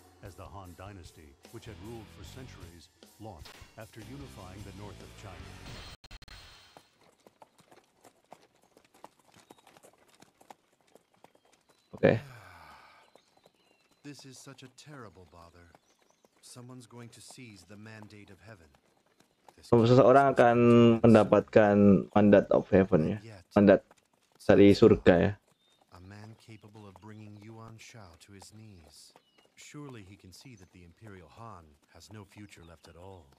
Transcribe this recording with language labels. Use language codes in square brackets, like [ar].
[en] As the Han dynasty, which had ruled for centuries, lost after unifying the north of China. Okay. This is such a terrible bother. Someone's going to seize the mandate of heaven. [id] Seseorang akan mendapatkan mandat [en] of heaven [id] ya, mandat dari surga ya. [en] A man capable of bringing Yuan Shao to his knees. Surely he can see that the Imperial Han has no future left at all.